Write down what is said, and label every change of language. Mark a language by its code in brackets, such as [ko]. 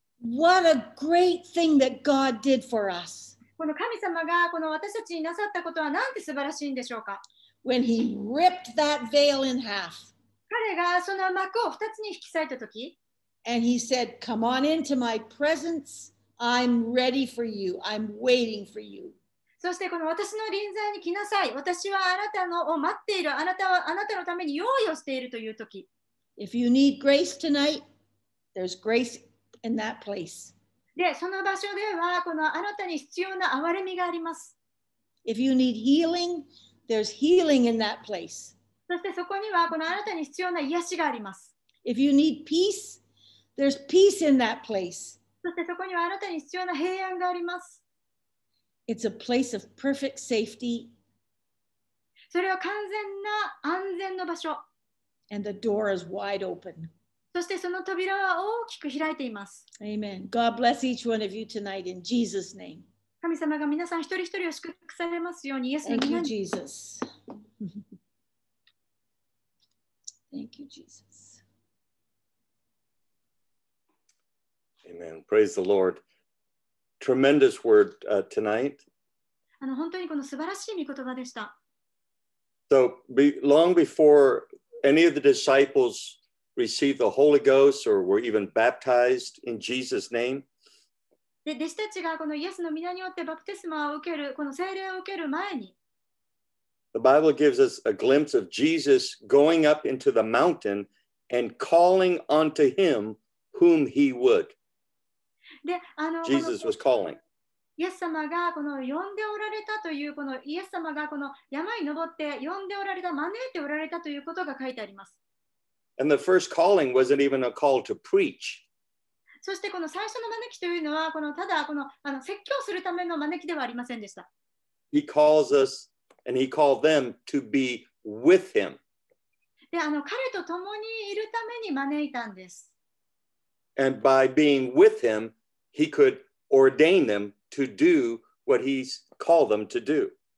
[en] What a great thing that God did for us. [ja] この神様がこの私たちになさったことはなんて素晴らしいんでしょうか。 [en] When he ripped that veil in half. [ja] 彼がその幕を二つに引き裂いたとき。 [en] And he said, "Come on into my presence. I'm ready for you. I'm waiting for you." [ja] そしてこの私の臨在に来なさい。私はあなたのを待っている。あなたはあなたのために用意をしているというとき。 [en] If you need grace tonight, there's grace in that place. [ja] で、その場所ではこのあなたに必要な憐れみがあります。 [en] If you need healing, there's healing in that place. [ja] そしてそこにはこのあなたに必要な癒しがあります。 [en] If you need peace, there's peace in that place. [ja] そしてそこにはあなたに必要な平安があります。 [en] It's a place of perfect safety. [ja] それは完全な安全の場所。 [en] And the door is wide open. [ja] そしてその扉は大きく開いています。 [en] Amen. God bless each one of you tonight in Jesus' name. [ja] 神様が皆さん一人一人を祝福されますように。 [en] Thank you, Jesus. Thank you, Jesus. Amen. Praise the Lord. Tremendous word tonight. [ja] 本当にこの素晴らしい御言葉でした。 [en] So long before any of the disciples received the Holy Ghost or were even baptized in Jesus' name, [ja] で弟子たちがこのイエスの御名によってバプテスマを受けるこの聖霊を受ける前に、 [en] The Bible gives us a glimpse of Jesus going up into the mountain and calling unto him whom he would. で、 Jesus was calling. [ja] イエス様がこの呼んでおられたというこのイエス様がこの山に登って呼んでおられた招いておられたということが書いてあります。 [en] And the first calling wasn't even a call to preach. [ja] そしてこの最初の招きというのはこのただこの説教するための招きではありませんでした。 [en] He calls us and he called them to be with him. [ja] で、彼と共にいるために招いたんです。 [en] And by being with him, he could ordain them to do what he's called them to do.